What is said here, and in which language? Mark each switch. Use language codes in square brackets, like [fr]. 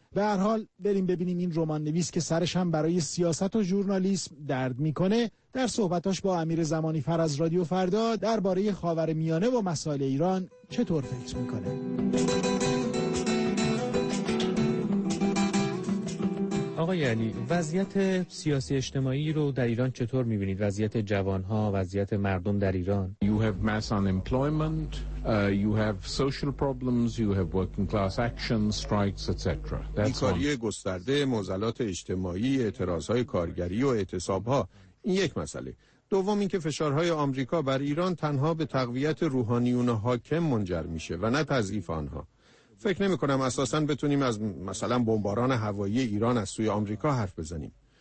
[fa] به هر حال بریم ببینیم این رمان نویس که سرش هم برای سیاست و ژورنالیسم درد میکنه در صحبتاش با امیر زمانی فر از رادیو فردا درباره خاورمیانه و مسائل ایران چطور فکر میکنه. آقای آقای علی، وضعیت سیاسی اجتماعی رو در ایران چطور می‌بینید؟ وضعیت جوان‌ها، وضعیت مردم در ایران؟ [en] You have mass unemployment, you have social problems, you have working class action strikes, etc. [fa] بیکاری گسترده، معضلات اجتماعی، اعتراض‌های کارگری و اعتصاب‌ها، این یک مسئله. دوم اینکه فشارهای آمریکا بر ایران تنها به تقویت روحانیون حاکم منجر میشه و نه تضعیف آنها. فکر نمی کنم اساساً بتونیم از مثلا بمباران هوایی ایران از سوی آمریکا حرف بزنیم.